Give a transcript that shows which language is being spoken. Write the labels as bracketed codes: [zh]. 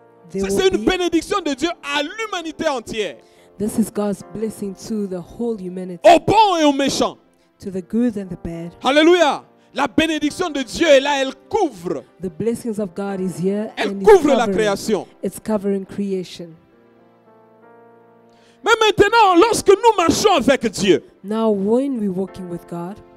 [fr] C'est une bénédiction de Dieu à l'humanité entière. [en] This is God's blessing to the whole humanity. [fr] Au bon et au méchant. [en] To the good and the bad. Hallelujah. [fr] La bénédiction de Dieu est là, elle couvre. [en] The blessings of God is here. [fr] Elle couvre la création. [en] It's covering creation. [fr] Mais maintenant, lorsque nous marchons avec Dieu, [en] now when we're walking with God,